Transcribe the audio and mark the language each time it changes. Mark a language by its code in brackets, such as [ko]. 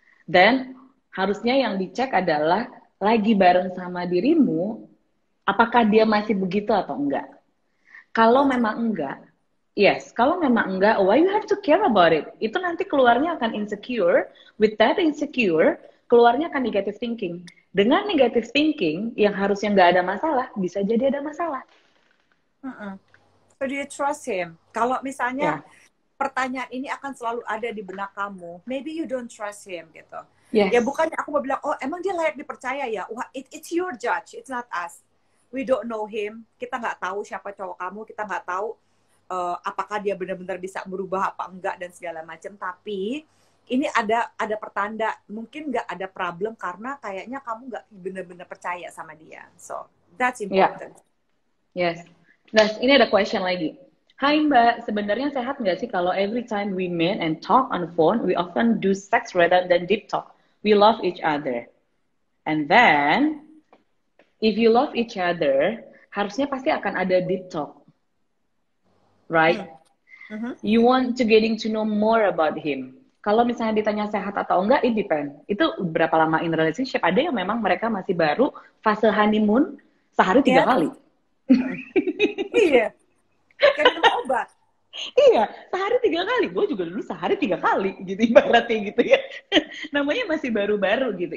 [en] Then [id] harusnya yang dicek adalah lagi bareng sama dirimu, apakah dia masih begitu atau enggak? Kalau memang enggak, [en] yes. [id] Kalau memang enggak, [en] why you have to care about it? [id] Itu nanti keluarnya akan [en] insecure. With that insecure, [id] keluarnya akan [en] negative thinking. [id] Dengan [en] negative thinking [id] yang harusnya enggak ada masalah, bisa jadi ada masalah. [en] So do you trust him? [id] Kalau misalnya pertanyaan ini akan selalu ada di benak kamu, [en] maybe you don't trust him [id] gitu. [en] Yes. [id] Ya bukannya aku mau bilang, oh emang dia layak dipercaya ya? Wah, [en] it's your judge, it's not us. We don't know him, [id] kita nggak tahu siapa cowok kamu, kita nggak tahu apakah dia benar-benar bisa berubah apa enggak dan segala macam. Tapi ini ada pertanda, mungkin nggak ada problem karena kayaknya kamu nggak benar-benar percaya sama dia. [en] So that's important. Yeah. Yes. [id] Nah, ini ada [en] question [id] lagi. Hai Mbak, sebenarnya sehat nggak sih kalau [en] every time we meet and talk on the phone, we often do sex rather than deep talk. We love each other. And then, if you love each other, [id] harusnya pasti akan ada [en] deep talk. Right? Mm-hmm. You want to getting to know more about him. [id] Kalau misalnya ditanya sehat atau enggak, [en] it depend. [id] Itu berapa lama [en] in relationship, [id] ada yang memang mereka masih baru, fase honeymoon, sehari 3 kali. Iya, kayak minum obat. Iya, sehari 3 kali. Gue juga dulu sehari 3 kali, gitu ibaratnya gitu ya. Namanya masih baru-baru gitu.